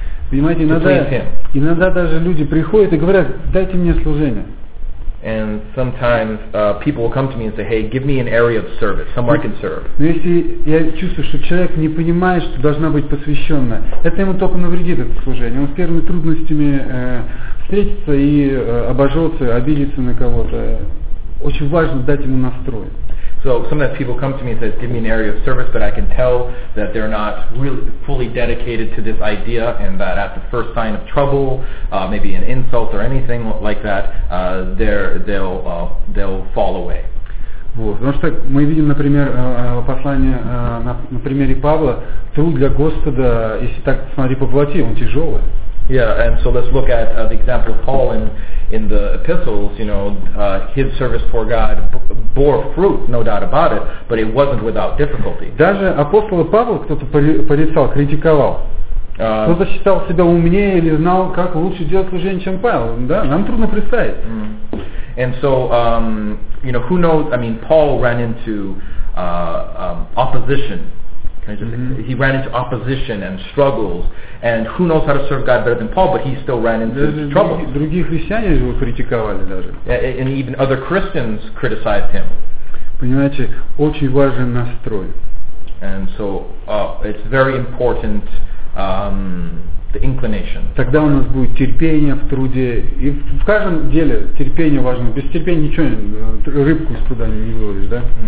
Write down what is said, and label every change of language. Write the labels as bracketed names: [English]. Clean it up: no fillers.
[Russian] Понимаете, иногда даже люди приходят и говорят, дайте мне служение. [English] And sometimes people will come to me and say, hey, give me an area of service, somewhere I can serve. [Russian] Но если я чувствую, что человек не понимает, что должна быть посвященная, это ему только навредит, это служение. Он с первыми трудностями встретится и обожжется, обидится на кого-то. Очень важно дать ему настрой. [English] So sometimes people come to me and say, give me an area of service, but I can tell that they're not really fully dedicated to this idea, and that at the first sign of trouble, maybe an insult or anything like that, they'll fall away. [Russian] Вот. Потому что мы видим, например, послание на примере Павла, труд для Господа, если так смотри по плоти, он тяжелый. [English] Yeah, and so let's look at the example of Paul in the epistles. You know, his service for God bore fruit, no doubt about it, but it wasn't without difficulty. [Russian] Даже апостола Павла кто-то порицал, критиковал. Кто-то считал себя умнее или знал, как лучше делать служение, чем Павел. Да, нам трудно представить. Mm. [English] And so, you know, who knows? I mean, Paul ran into opposition. He ran into opposition and struggles, and who knows how to serve God better than Paul? But he still ran into trouble. [Russian] Другие христиане его критиковали даже. [English] And even other Christians criticized him. [Russian] Понимаете, очень важен настрой. [English] And so it's very important the inclination. [Russian] Тогда у нас будет терпение в труде, и в каждом деле терпение важно. Без терпения ничего, рыбку из пруда не выловишь, да?